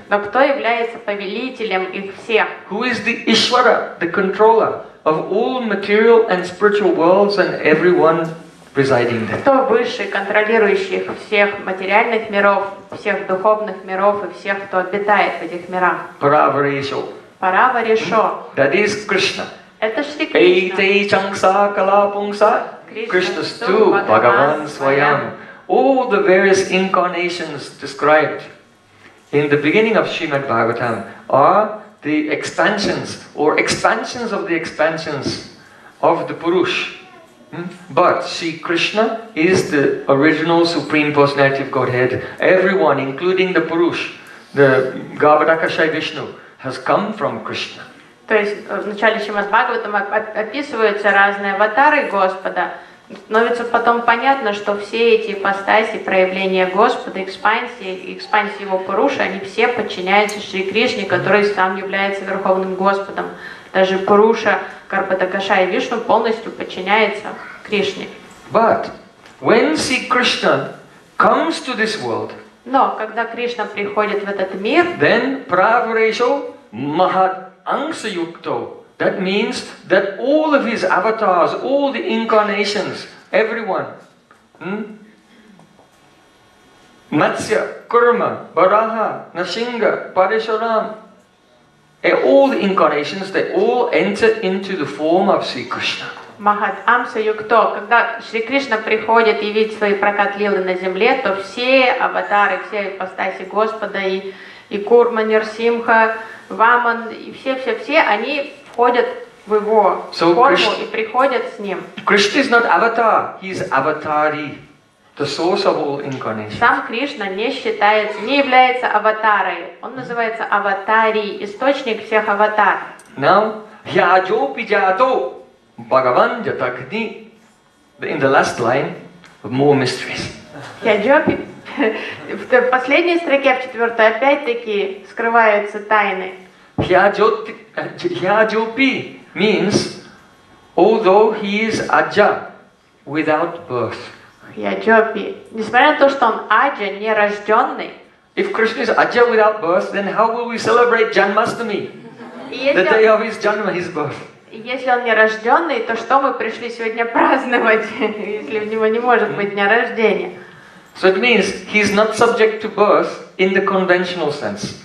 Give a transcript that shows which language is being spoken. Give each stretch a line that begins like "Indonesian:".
Russian: Но кто является повелителем их всех?
English: Who is the Ishwara, the controller of all material and spiritual worlds and everyone residing there?
Russian: Кто высший, контролирующий их всех материальных миров, всех духовных миров и всех, кто обитает в этих мирах?
Sanskrit: Paravareśo. Paravareśo.
English: That is Krishna.
Russian: Это Шри Кришна. Эй, чанкса, кала, пунса.
Sanskrit: Кришна сту, Бхагаван Свайам.
English: All the various incarnations described in the beginning of Srimad Bhagavatam are the expansions or expansions of the expansions of the Purush. But Sri Krishna is the original Supreme Personality of Godhead. Everyone, including the Purush, the Gavadakashai Vishnu, has come from Krishna.
Russian: То есть в начале Шримад Бхагаватам описываются разные аватары Господа. Становится потом понятно, что все эти ипостаси, проявления Господа, экспансии его Пуруши, они все подчиняются Шри Кришне, который сам является Верховным Господом. Даже Пуруша, Карпатакаша и Вишну полностью подчиняется Кришне.
English: But when Sri Krishna comes to this world,
Russian: но когда Кришна приходит в этот мир,
English: then
Sanskrit: Praavareśo Mahadangsa Yukto,
English: that means that all of his avatars, all the incarnations, everyone, Matsya, Kurma, Varaha, Nasinga, Parishuram, all the incarnations, they all enter into the form of Sri Krishna.
Sanskrit: Махатамса Юкто,
Russian: когда Шри Кришна приходит явить свои прокат-лилы на земле, то все аватары, все ипостаси Господа, и Курма, Нирсимха, Ваман, и все-все-все, они входят в его форму и приходят с ним.
English: Krishna is not avatar, he is avatari, the source of all incarnations.
Russian: Сам Кришна не считается, не является аватарой. Он называется аватари, источник всех аватар.
English: Now,
Sanskrit: яджо пиджато.
English: Bhagavan Jatakni, in the last line, more mysteries.
Russian: Яджопи, в последней строке, в четвертой, опять-таки, скрываются тайны.
English: Яджопи means, although he is Аджа, without birth.
Russian: Яджопи, несмотря на то, что он Аджа, нерожденный.
English: If Krishna is Аджа without birth, then how will we celebrate Janmashtami? The day of his Janma, his birth.
Russian: Если он не рожденный, то что мы пришли сегодня праздновать, если у него не может быть дня рождения?
English: So it means he's not subject to birth in the conventional sense,